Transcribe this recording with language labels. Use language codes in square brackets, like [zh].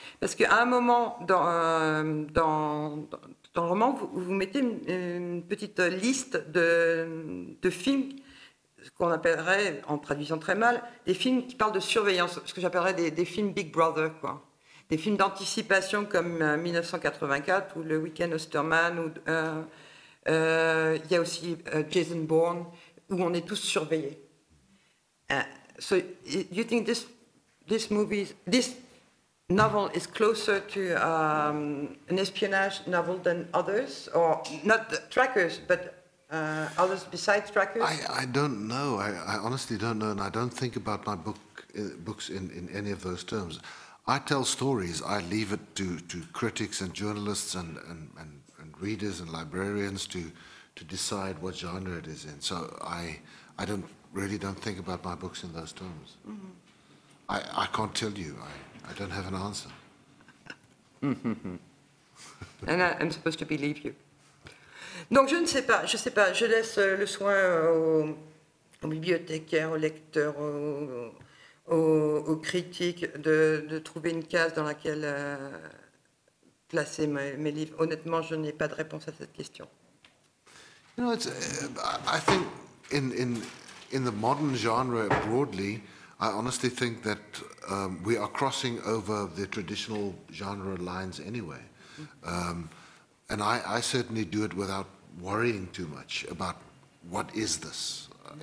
[fr] Parce qu'à un moment dans le roman, vous mettez une petite liste de films, ce qu'on appellerait, en traduisant très mal, des films qui parlent de surveillance, ce que j'appellerais des films Big Brother, quoi. Des films d'anticipation comme 1984 ou Le Week-end Ostermann, ou il y a aussi Jason Bourne, où on est tous surveillés. [en] So, you think this novel is closer to an espionage novel than others, or not Trackers, but others besides Trackers? I don't know. I honestly don't know, and I don't think about my books in any of those terms. I tell stories. I leave it to critics and journalists and readers and librarians to decide what genre it is in. So I don't think about my books in those terms. Mm-hmm. I can't tell you. I don't have an answer. And I'm supposed to believe you. [fr] Donc, je ne sais pas. Je laisse le soin aux bibliothécaires, aux lecteurs, aux critiques de trouver une case dans laquelle placer mes livres. Honnêtement, je n'ai pas de réponse à cette question. [en] You know, I think in the modern genre broadly, I honestly think that we are crossing over the traditional genre lines anyway. Mm-hmm. And I certainly do it without worrying too much about what is this. Mm-hmm.